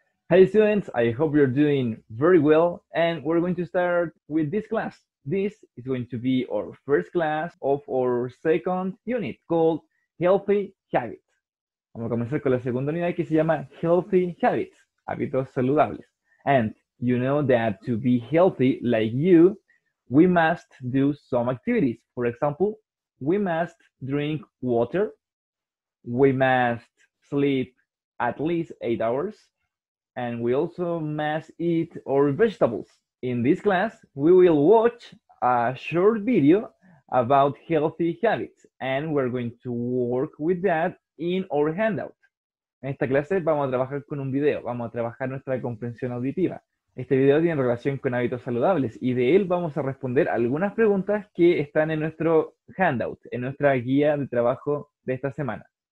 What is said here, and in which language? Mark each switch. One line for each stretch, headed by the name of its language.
English: Hey students, I hope you're doing very well, and we're going to start with this class. This is going to be our first class of our second unit called Healthy Habits.
Spanish: Vamos a comenzar con la segunda unidad que se llama Healthy Habits, hábitos saludables.
English: And you know that to be healthy like you, we must do some activities. For example, we must drink water, we must sleep at least 8 hours, and we also must eat our vegetables. In this class, we will watch a short video about healthy habits, and we're going to work with that in our handout.
Spanish: En esta clase vamos a trabajar con un video, vamos a trabajar nuestra comprensión auditiva. Este video tiene relación con hábitos saludables, y de él vamos a responder algunas preguntas que están en nuestro handout, en nuestra guía de trabajo de esta semana.